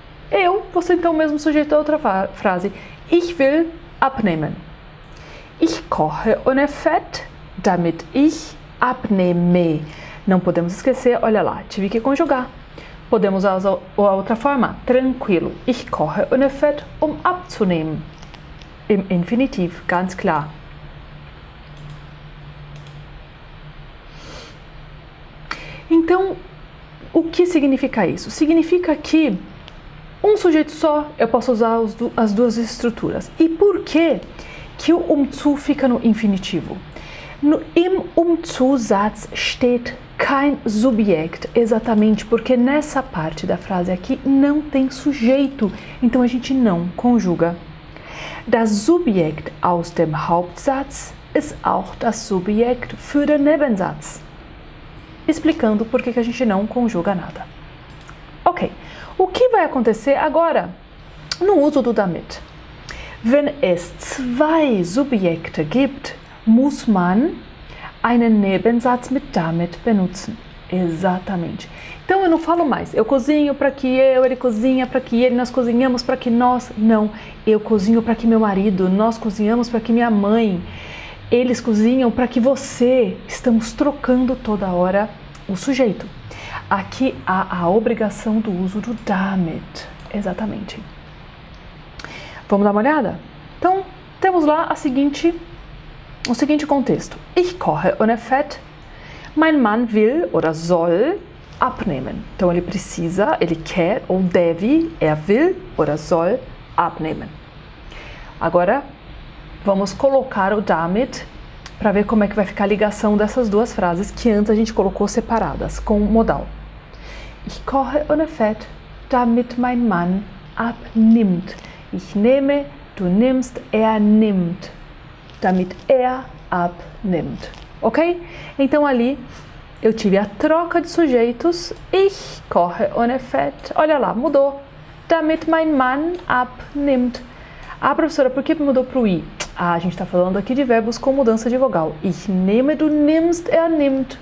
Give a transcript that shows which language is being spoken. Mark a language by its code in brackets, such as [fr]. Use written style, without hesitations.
[pt] Eu vou ser então o mesmo sujeito da outra frase. [de] Ich will abnehmen. Ich koche ohne Fett, damit ich abnehme. [pt] Não podemos esquecer, olha lá, tive que conjugar. Podemos usar a outra forma, tranquilo. [de] Ich koche ohne Fett, abzunehmen. Im infinitivo, ganz klar. [pt] Então, o que significa isso? Significa que um sujeito só eu posso usar as duas estruturas. E por quê? Que o zu fica no infinitivo. [de] No zu-Satz steht kein Subjekt, [pt] exatamente porque nessa parte da frase aqui não tem sujeito, então a gente não conjuga. [de] Das Subjekt aus dem Hauptsatz ist auch das Subjekt für den Nebensatz. [pt] Explicando por que que a gente não conjuga nada. Ok, o que vai acontecer agora no uso do damit? [de] Wenn es zwei Subjekte gibt, muss man einen Nebensatz mit damit benutzen. [pt] Exatamente. Então eu não falo mais, eu cozinho para que eu, ele cozinha para que ele, nós cozinhamos para que nós. Não, eu cozinho para que meu marido, nós cozinhamos para que minha mãe, eles cozinham para que você. Estamos trocando toda hora o sujeito. Aqui há a obrigação do uso do damit. Exatamente. Vamos dar uma olhada? Então, temos lá o seguinte contexto. [de] Ich koche ohne Fett. Mein Mann will oder soll abnehmen. [pt] Então ele precisa, ele quer ou deve, [de] er will oder soll abnehmen. [pt] Agora vamos colocar o damit para ver como é que vai ficar a ligação dessas duas frases que antes a gente colocou separadas com modal. [de] Ich koche ohne Fett, damit mein Mann abnimmt. Ich nehme, du nimmst, er nimmt, damit er abnimmt. Ok? [pt] Então ali eu tive a troca de sujeitos. [de] Ich koche ohne Fett. [pt] Olha lá, mudou. [de] Damit mein Mann abnimmt. [pt] Ah, professora, por que mudou para o I? Ah, a gente está falando aqui de verbos com mudança de vogal. [de] Ich nehme, du nimmst, er nimmt.